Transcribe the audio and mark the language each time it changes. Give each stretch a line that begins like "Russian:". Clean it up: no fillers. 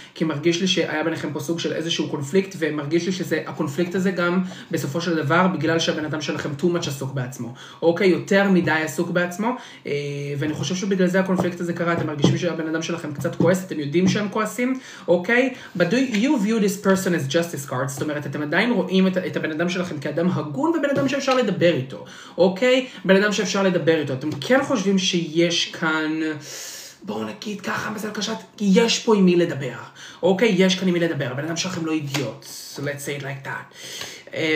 Hebrew: כי מרגיש לי שהיה ביניכם פה סוג של איזשהו קונפליקט, ומרגיש לי שזה, הקונפליקט הזה גם בסופו של דבר, בגלל שהבן אדם שלכם
English: too much
Hebrew: עסוק בעצמו. אוקיי, יותר מדי עסוק בעצמו, ואני חושב שבגלל זה הקונפליקט הזה קרה, אתם מרגישים שהבן אדם שלכם קצת כועס, אתם יודעים שהם כועסים, אוקיי?
English: But do you view this person as justice cards?
Hebrew: זאת אומרת, אתם עדיין רואים את הבן אדם שלכם כאדם הגון, ובן אדם שאפשר לדבר איתו, אוקיי? בן אדם שאפשר לדבר איתו, אתם כן חושבים שיש כאן, בואו נגיד ככה, מזל קשת, יש פה עם מי לדבר, אוקיי? יש כאן עם מי לדבר, בן אדם שלכם לא אידיוט,
English: so let's say it like that.